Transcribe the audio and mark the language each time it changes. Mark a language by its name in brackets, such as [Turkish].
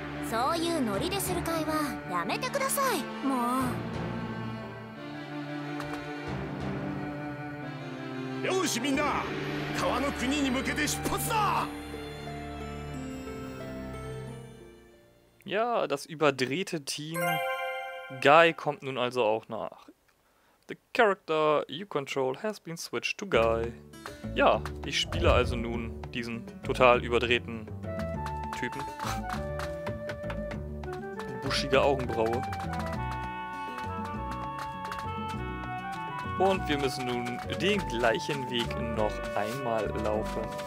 [Japanese] そういうノリでする会はやめてください。もう。よし、みんな、川の国に向けて出発だ。 [German] Ja, das überdrehte Team Guy kommt nun also auch nach. [English] The character you control has been switched to Guy. [German] Ja, ich spiele also nun diesen total überdrehten Typen. Buschige Augenbraue. Und wir müssen nun den gleichen Weg noch einmal laufen.